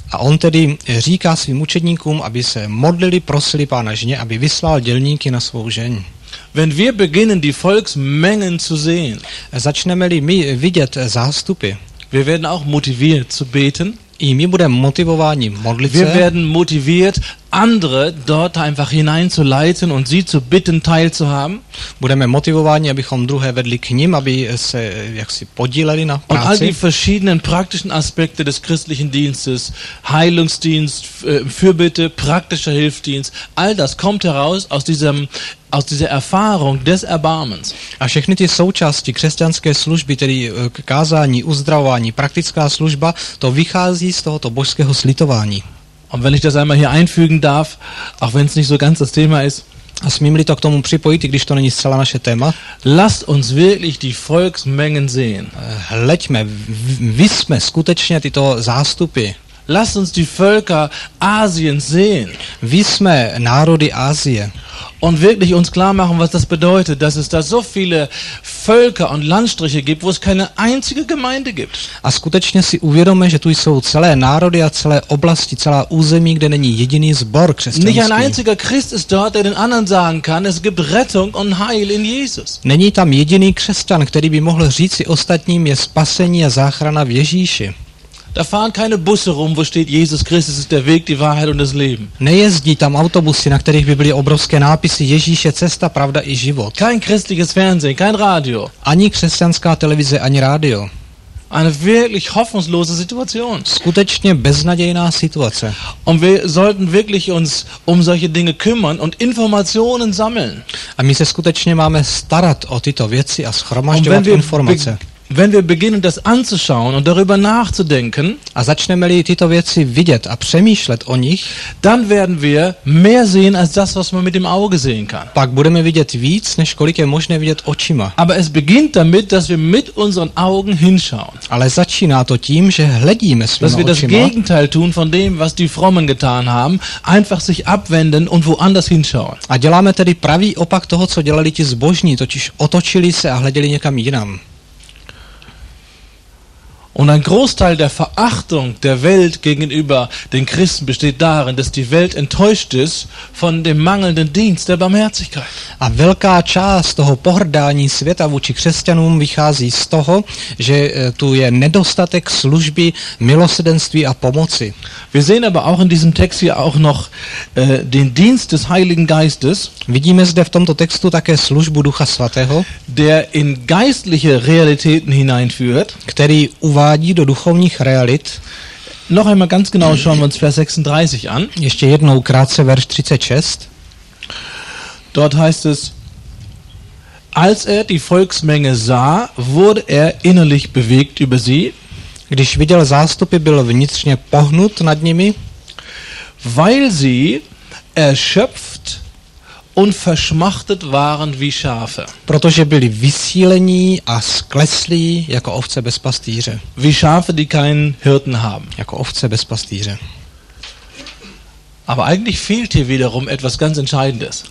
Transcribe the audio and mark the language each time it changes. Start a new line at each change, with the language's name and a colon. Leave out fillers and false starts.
Czech: A on tedy říká svým učedníkům, aby se modlili, prosili Pána žně, aby vyslal dělníky na svou žeň.
German: Wenn wir beginnen, die Volksmengen zu sehen,
Czech: začneme-li my vidět zástupy,
German: wir werden auch motiviert zu beten,
Czech: i my budeme motivováni modlit se.
German: Wir werden motiviert, andere dort einfach hineinzuleiten und sie zu bitten teilzuhaben.
Czech: Budeme motivováni, abychom druhé vedli k ním, aby se jaksi podíleli na práci.
German: Und all die verschiedenen praktischen Aspekte des christlichen Dienstes, Heilungsdienst, Fürbitte, praktischer Hilfsdienst, all das kommt heraus aus dieser Erfahrung des Erbarmens.
Czech: A všechny ty součásti křesťanské služby, tedy kázání, uzdravování, praktická služba, to vychází z tohoto božského slitování.
German: Und wenn ich das einmal hier einfügen darf, auch wenn es nicht so ganz das Thema ist.
Czech: A smím-li to k tomu připojit, i když to není zcela naše téma.
German: Lasst uns wirklich die Volksmengen sehen.
Czech: Hleďme, vysme skutečně tyto zástupy.
German: Lasst uns die Völker Asiens sehen.
Czech: Vysme národy Asie.
German: Und wirklich uns klar machen, was das bedeutet, dass es da so viele Völker und Landstriche gibt, wo es keine einzige Gemeinde gibt.
Czech: A skutečně si uvědomme, že tu jsou celé národy a celé oblasti, celá území, kde není jediný sbor křesťanský.
German: Nicht ein einziger Christ ist dort, der den anderen sagen kann, es gibt Rettung und Heil in Jesus.
Czech: Není tam jediný křesťan, který by mohl říci ostatním, je spasení a záchrana v Ježíši.
German: Da fahren keine Busse rum, wo steht Jesus Christus ist der Weg, die Wahrheit und das Leben.
Czech: Nejezdí tam autobusy, na kterých by byly obrovské nápisy Ježíš je cesta, pravda i život.
German: Kein christliches Fernsehen, kein Radio.
Czech: Ani křesťanská televize, ani rádio.
German: Eine wirklich hoffnungslose Situation.
Czech: Skutečně beznadějná situace.
German: Und wir sollten wirklich uns um solche Dinge kümmern und Informationen sammeln.
Czech: A my se skutečně máme starat o tyto věci a schromažďovat informace.
German: Wenn wir beginnen, das anzuschauen und darüber nachzudenken,
Czech: a začneme-li tyto věci vidět a přemýšlet o nich,
German: dann werden wir mehr sehen als das, was man mit dem Auge sehen kann.
Czech: Pak budeme vidět víc, než kolik je možné vidět očima.
German: Aber es beginnt damit, dass wir mit unseren Augen hinschauen.
Czech: Ale začíná to tím, že hledíme svýma očima.
German: Dass wir das Gegenteil tun von dem, was die Frommen getan haben, einfach sich abwenden und woanders hinschauen.
Czech: A děláme tedy pravý opak toho, co dělali ti zbožní, totiž otočili se a hleděli někam jinam.
German: Und ein Großteil der Verachtung der Welt gegenüber den Christen besteht darin, dass die Welt enttäuscht ist von dem mangelnden Dienst der Barmherzigkeit.
Czech: A velká část toho pohrdání světa vůči křesťanům vychází z toho, že tu je nedostatek služby, milosrdenství a pomoci.
German: Wir sehen aber auch in diesem Text hier auch noch den Dienst des Heiligen Geistes.
Czech: Vidíme zde v tomto textu také službu Ducha Svatého,
German: der in geistliche Realitäten hineinführt,
Czech: který uvádí do duchovních realit.
German: Noch einmal ganz genau schauen wir uns Vers 36 an.
Czech: Ještě jednou krátce verš 36.
German: Dort heißt es: Als er die Volksmenge sah, wurde er innerlich bewegt über sie.
Czech: Když viděl zástupy, byl vnitřně pohnut nad nimi,
German: weil sie erschöpft und verschmachtet waren wie Schafe.
Czech: Protože byli vysílení a skleslí jako ovce bez pastýře.
German: Wie Schafe, die keinen Hirten haben.
Czech: Jako ovce bez pastýře.
German: Aber eigentlich fehlt hier wiederum etwas ganz Entscheidendes.